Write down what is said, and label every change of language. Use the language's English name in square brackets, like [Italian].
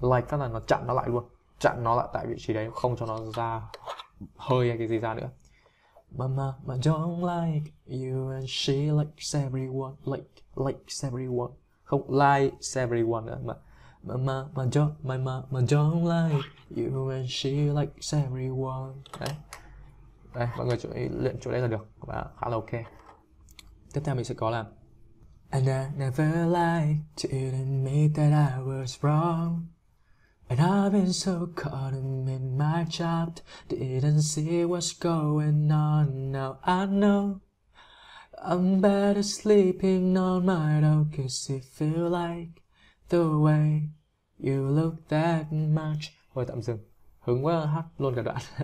[Vietnamese] tức là nó chặn nó lại luôn, chặn nó lại tại vị trí đấy không cho nó ra hơi hay cái gì ra nữa. [English] Mama don't like you and she likes everyone like everyone [Vietnamese] không like everyone nữa mà [English] mama don't like you and she likes everyone đấy. [Vietnamese] Đây, mọi người chú ý luyện chỗ đấy là được và khá là ok. Tiếp theo mình sẽ có là [English] And I never liked to admit that I was wrong. And I've been so caught in my trap, didn't see what's going on. Now I know I'm better sleeping on my own, 'cause it feel like the way you look that much. [Vietnamese] Thôi tạm dừng, hứng quá hát luôn cả đoạn.